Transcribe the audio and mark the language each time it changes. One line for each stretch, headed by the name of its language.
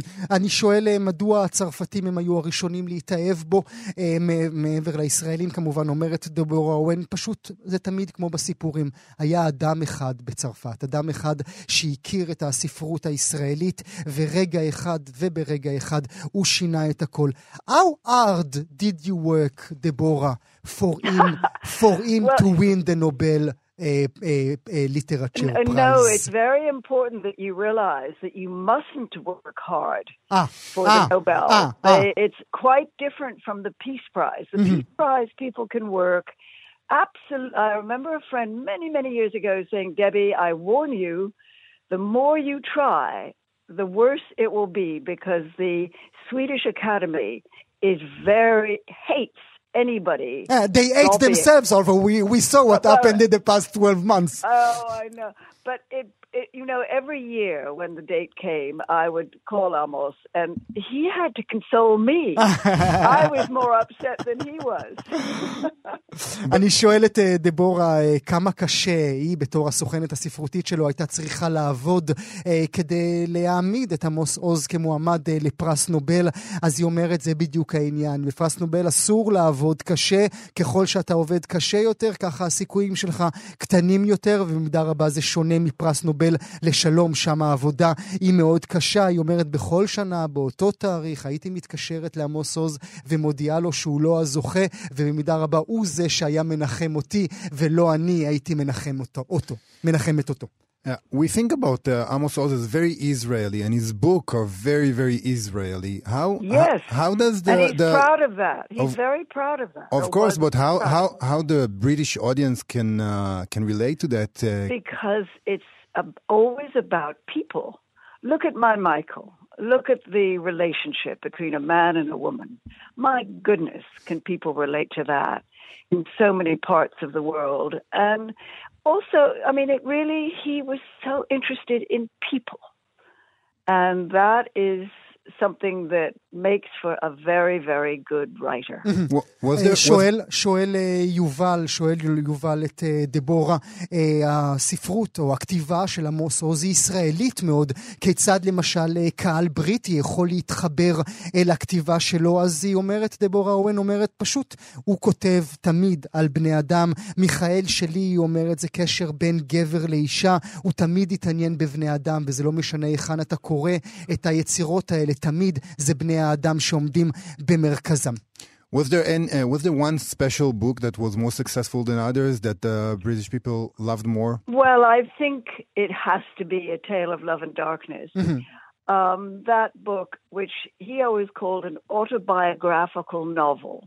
Hebrew: אני שואל, מדוע הצרפתים הם היו הראשונים להתאהב בו, מעבר לישראלים, כמובן, אומרת דבורה אוהן, פשוט זה תמיד כמו בסיפורים, היה אדם אחד בצרפת, אדם אחד שהכיר את הספרות הישראלית, ורגע אחד וברגע אחד הוא שינה את הכל.
English: How hard did you work, דבורה, for him well, to win the Nobel literature prize? No, it's very important that you realize that you mustn't work hard for the Nobel. It's quite different from the Peace Prize. The mm-hmm. Peace Prize, people can work. I remember a friend many, many years ago saying, Debbie, I warn you, the more you try, the worse it will be, because the Swedish Academy hates anybody. Yeah, they ate themselves over. We saw what happened in the past 12 months. Oh, I know. But it you know, every year when the date came, I would call Amos, and he had to console me. I was more upset than he was.
Hebrew: אני שואל את דבורה, כמה קשה היא בתור הסוכנת הספרותית שלו הייתה צריכה לעבוד כדי להעמיד את עמוס עוז כמועמד לפרס נובל. אז היא אומרת, זה בדיוק העניין, בפרס נובל אסור לעבוד קשה, ככל שאתה עובד קשה יותר ככה הסיכויים שלך קטנים יותר, ובמידה רבה זה שונה מפרס נובל לשלום, שם העבודה היא מאוד קשה. היא אומרת, בכל שנה באותו תאריך הייתי מתקשרת לעמוס עוז ומודיעה לו שהוא לא הזוכה, ובמידה רבה הוא זה שהיה מנחם אותי ולא אני הייתי מנחם אותו, מנחמת אותו.
English: We think about Amos Oz is very Israeli and his book are very, very Israeli. How does the... And he's proud of that. Very proud of that. Of course, but how the British audience can relate to that? Because it's always about people. Look at my Michael. Look at the relationship between a man and a woman. My goodness, can people relate to that in so many parts of the world? And also, I mean, it really, he was so interested in people. And that is something that makes for a very, very good writer.
Hebrew: שואל יובל את דבורה, הספרות או הכתיבה של עמוס עוז היא ישראלית מאוד, כיצד למשל קהל בריטי יכול להתחבר אל הכתיבה שלו? אז היא אומרת, דבורה אורן אומרת, פשוט הוא כותב תמיד על בני אדם. מיכאל שלי, היא אומרת, זה קשר בין גבר לאישה, הוא תמיד התעניין בבני אדם, וזה לא משנה איכן אתה קורא את היצירות האלה, תמיד זה בני האדם שעומדים במרכזם.
English: Was there one special book that was more successful than others that the British people loved more? Well, I think it has to be A Tale of Love and Darkness. Mm-hmm. That book, which he always called an autobiographical novel.